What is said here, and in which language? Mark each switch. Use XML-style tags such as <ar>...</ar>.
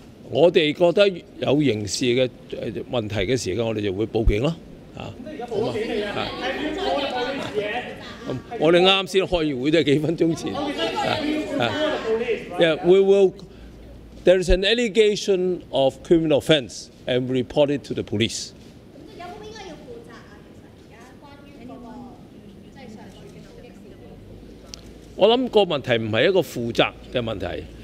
<yue>我哋覺得有刑事嘅問題嘅時候，我哋就會報警咯。啊，咁啊，係。我哋啱先開完會都係幾分鐘前。</yue> <en>We will. There is an allegation of criminal offence and report it to the police.</en> <yue>咁有冇應該要負責啊？其實而家關於嗰個即係上個月嘅事嘅，我諗個問題唔係一個負責嘅問題。</yue>